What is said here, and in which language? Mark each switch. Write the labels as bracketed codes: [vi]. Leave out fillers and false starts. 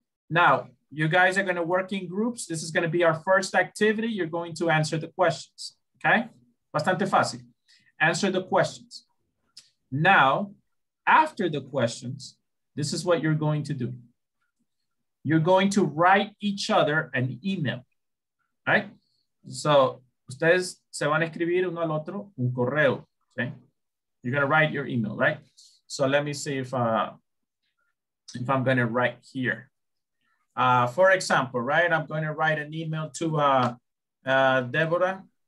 [en] Now, you guys are going to work in groups. This is going to be our first activity. You're going to answer the questions, okay? [es] Bastante fácil. [en] Answer the questions. Now, after the questions, this is what you're going to do. You're going to write each other an email, right? [es] So, ustedes se van a escribir uno al otro un correo, okay? [en] You're going to write your email, right? So, let me see if I'm going to write here. For example, right, I'm going to write an email to Deborah.